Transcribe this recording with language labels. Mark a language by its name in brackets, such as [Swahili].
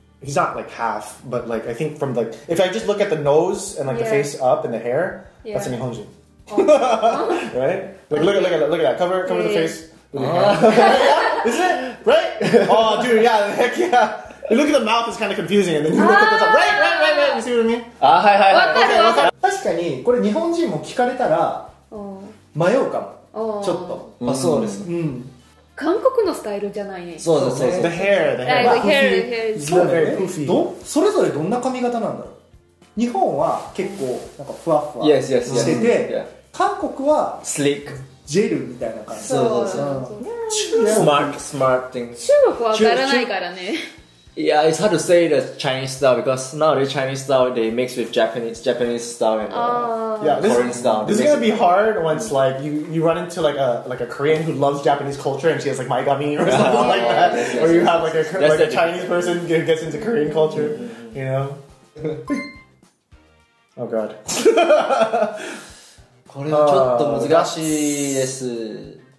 [English] He's not like half, but like, I think from like, if I just look at the nose, and like、yeah. the face up, and the hair,、yeah. that's a Nihonjin.、Oh. right? Like, look at that, cover、yeah. the face. Is it? Right? Oh, dude, yeah, heck yeah. You look at the mouth, it's kind of confusing, and then you look at the top. Right, right, right, right. You see what I mean? [Japanese] Ah, はいはいはい。わかる。確かにこれ日本人も聞かれたら迷うかも。ちょっと。まあそうです。うん。韓国のスタイルじゃないね。そうそうそう。 [English] The hair, the hair. The hair, the hair. [Japanese] そうね。ど、それぞれどんな髪型なんだろう。日本は結構なんかふわふわしてて、韓国はスリック。ジェルみたいな感じ。そうそうそう。 [English] Smart thing. [Japanese] 中国はわからないからね。 [English] Yeah, it's hard to say the Chinese style because nowadays Chinese style they mix with Japanese style and Korean style. This is gonna be hard once like you run into like a Korean who loves Japanese culture and she has like maigami or something like that, or you have like a Chinese person gets into Korean culture, you know? Oh God. [Japanese] これちょっと難しいです。